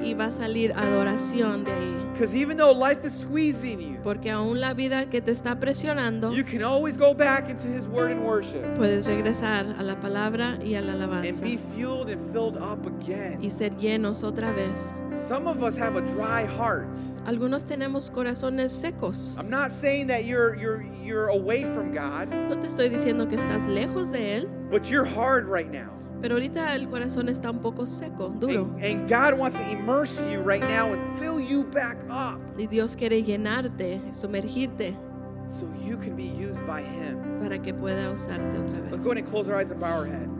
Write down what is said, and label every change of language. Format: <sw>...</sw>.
<es>Y va a salir adoración de ahí.</es> <en>Because even though life is squeezing you,</en> <es>porque aún la vida que te está presionando,</es> <en>you can always go back into his word and worship.</en> <es>Puedes regresar a la palabra y a la alabanza.</es> <en>And be fueled and filled up again.</en> <es>Y ser llenos otra vez.</es> <en>Some of us have a dry heart.</en> <es>Algunos tenemos corazones secos.</es> <en>I'm not saying that you're away from God.</en> <es>No te estoy diciendo que estás lejos de él.</es> <en>But you're hard right now.</en> <es>Pero ahorita el corazón está un poco seco, duro.</es> <en>And God wants to immerse you right now and fill you back up.</en> <es>Y Dios quiere llenarte, sumergirte.</es> <en>So you can be used by him.</en> <es>Para que pueda usarte otra vez.</es> <en>Let's go ahead and close our eyes and bow our head.</en>